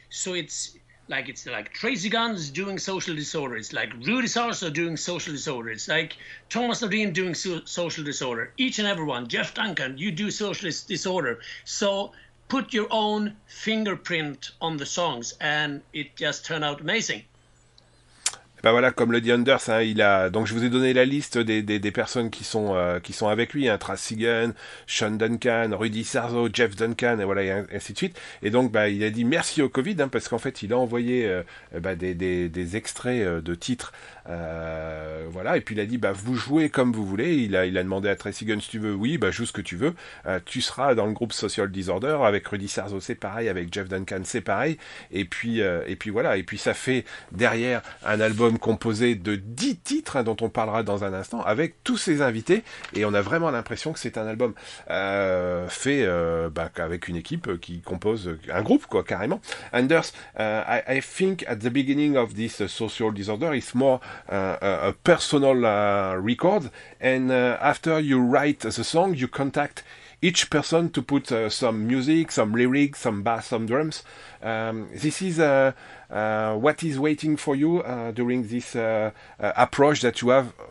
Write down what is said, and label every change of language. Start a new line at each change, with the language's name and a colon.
English: So it's like Tracy Guns doing Social Disorder. It's like Rudy Sarzo doing Social Disorder. It's like Thomas Nordin doing Social Disorder. Each and everyone, Jeff Duncan, you do Social Disorder. So put your own fingerprint on the songs, and it just turned out amazing.
French: Ben voilà, comme le dit Anders, hein, il a, donc je vous ai donné la liste des personnes qui sont avec lui, hein, Tracy Gunn, Sean Duncan, Rudy Sarzo, Jeff Duncan, et voilà, et ainsi de suite. Et donc, ben, il a dit merci au Covid, hein, parce qu'en fait, il a envoyé des extraits de titres. Voilà, et puis il a dit bah vous jouez comme vous voulez. Il a demandé à Tracy Gunn si tu veux, oui, bah joue ce que tu veux, tu seras dans le groupe Social Disorder avec Rudy Sarzo, c'est pareil, avec Jeff Duncan, c'est pareil, et puis voilà, et puis ça fait derrière un album composé de 10 titres, hein, dont on parlera dans un instant, avec tous ses invités, et on a vraiment l'impression que c'est un album fait avec une équipe qui compose un groupe, quoi, carrément.
English: Anders, I think at the beginning of this Social Disorder is more a personal record, and after you write the song, you contact each person to put some music, some lyrics, some bass, some drums. This is what is waiting for you during this approach that you have.